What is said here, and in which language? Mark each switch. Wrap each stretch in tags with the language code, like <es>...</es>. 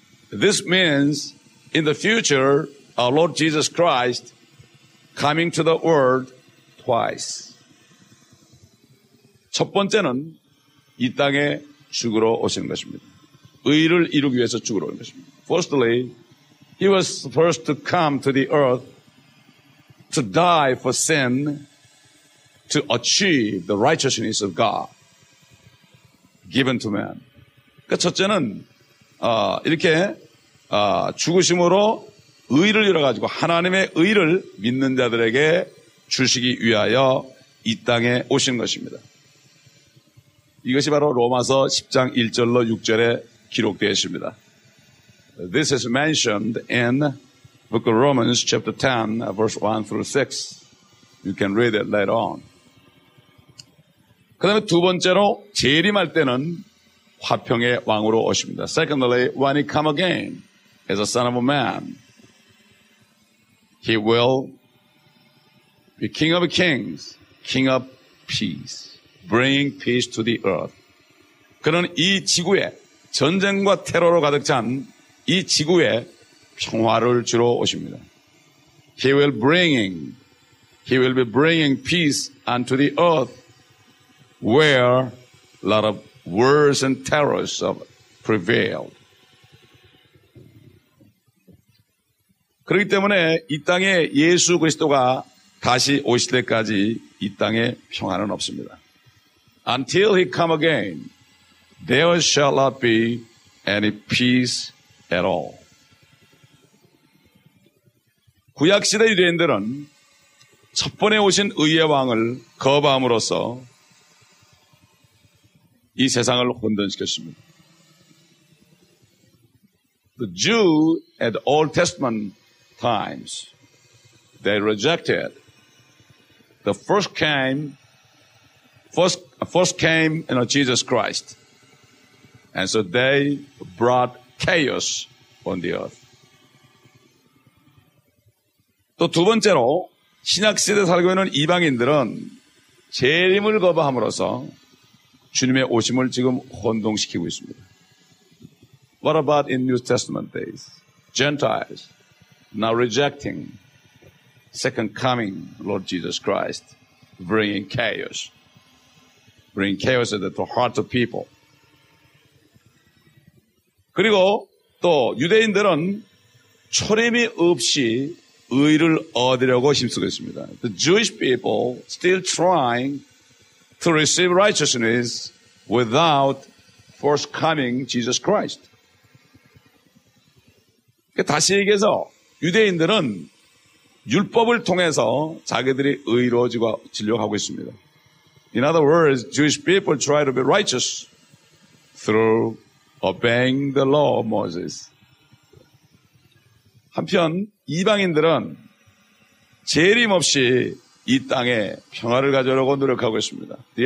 <en>This means in the future, our Lord Jesus Christ coming to the world twice.</en> <ko>첫 번째는 이 땅에 죽으러 오시는 것입니다. 의를 이루기 위해서 죽으러 오는 것입니다.</ko> <en>Firstly, he was supposed to come to the earth to die for sin to achieve the righteousness of God given to man.</en> <ko>그러니까 첫째는 이렇게 죽으심으로 의를 열어가지고 하나님의 의를 믿는 자들에게 주시기 위하여 이 땅에 오신 것입니다. 이것이 바로 로마서 10장 1절로 6절에 기록되어 있습니다.</ko> <en>This is mentioned in Book of Romans chapter 10 verse 1 through 6. You can read it later on.</en> <ko>그 다음에 두 번째로 재림할 때는 화평의 왕으로 오십니다.</ko> <en>Secondly, when he come again as a son of a man, he will be king of kings, king of peace, bringing peace to the earth.</en> <ko>그는 이 지구에 전쟁과 테러로 가득 찬 이 지구에 평화를 주러 오십니다.</ko> <en>He will be bringing peace unto the earth where a lot of wars and terrors have prevailed.</en> <ko>그렇기 때문에 이 땅에 예수 그리스도가 다시 오실 때까지 이 땅에 평화는 없습니다.</ko> <en>Until he come again, there shall not be any peace at all.</en> <ko>구약시대 유대인들은 첫 번에 오신 의의 왕을 거부함으로써 이 세상을 혼돈시켰습니다.</ko> <en>The Jew at Old Testament times, they rejected the first came in Jesus Christ. And so they brought chaos on the earth.</en> <ko>또 두 번째로 신약시대에 살고 있는 이방인들은 재림을 거부함으로써 주님의 오심을 지금 혼동시키고 있습니다.</ko> <en>What about in New Testament days? Gentiles now rejecting second coming Lord Jesus Christ, bringing chaos to the heart of people.</en> <ko>그리고 또 유대인들은 초림이 없이 의를 얻으려고 힘쓰고 있습니다.</ko> <en>The Jewish people still trying to receive righteousness without first coming Jesus Christ.</en> <ko>다시 얘기해서 유대인들은 율법을 통해서 자기들이 의로 지려고 하고 있습니다.</ko> <en>In other words, Jewish people try to be righteous through obeying the law of Moses.</en> <ko>한편 이방인들은 재림 없이 이 땅에 평화를 가져오려고 노력하고 있습니다.</ko>